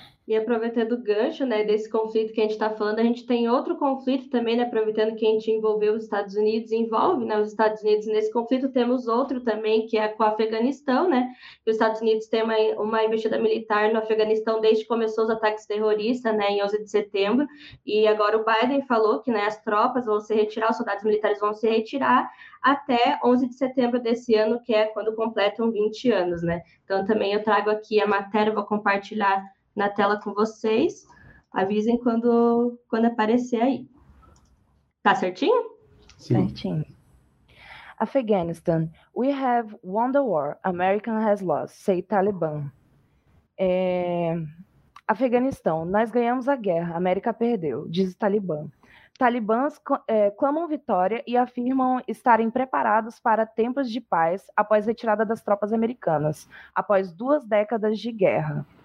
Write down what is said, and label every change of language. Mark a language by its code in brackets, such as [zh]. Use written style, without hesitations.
[pt] E aproveitando o gancho, né, desse conflito que a gente está falando, a gente tem outro conflito também, né, aproveitando que a gente envolveu os Estados Unidos, envolve, né, os Estados Unidos nesse conflito, temos outro também, que é com o Afeganistão, né, que os Estados Unidos têm uma investida militar no Afeganistão desde que começou os ataques terroristas, né, em 11 de setembro, e agora o Biden falou que, né, as tropas vão se retirar, os soldados militares vão se retirar até 11 de setembro desse ano, que é quando completam 20 anos, né. Então também eu trago aqui a matéria, vou compartilhar na tela com vocês. Avisem quando aparecer aí. Tá certinho? Sim. Certinho. [en] Afghanistan, we have won the war, America has lost, say Taliban. [pt] Afeganistão, nós ganhamos a guerra, América perdeu, diz o Talibã. Talibãs clamam vitória e afirmam estarem preparados para tempos de paz após a retirada das tropas americanas, após 2 décadas de guerra.